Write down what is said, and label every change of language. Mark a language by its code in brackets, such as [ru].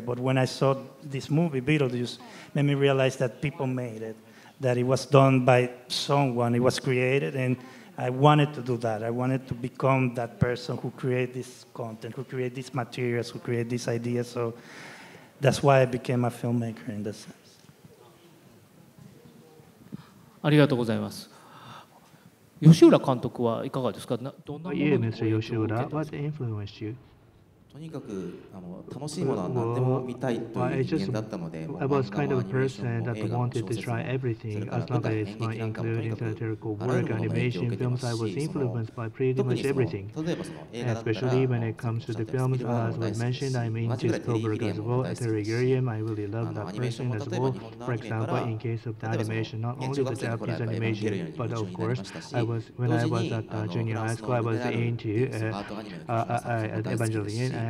[en] But when I saw this movie, Beetlejuice, made me realize that people made it, that it was done by someone, it was created, and I wanted to do that. I wanted to become that person who create this content, who create these materials, who create these ideas. So. That's why I became a filmmaker in this sense. [ja] ありがとうございます。吉浦監督はいかがですか。どんなものを受けたんですか。 [en] What influenced you? [ja] とにかく楽しいものは何でも見たいという人間だったので、 [en] I was kind of a person that wanted to try everything as long as it's not including theatrical work, animation, films. I was influenced by pretty much everything. Especially when it comes to the films, as we mentioned, I'm into Spielberg as well, Terry Gilliam. I really love that person as well. For example, in case of the animation, not only the Japanese animation, but of course, when I was at junior high school, I was into Evangelion.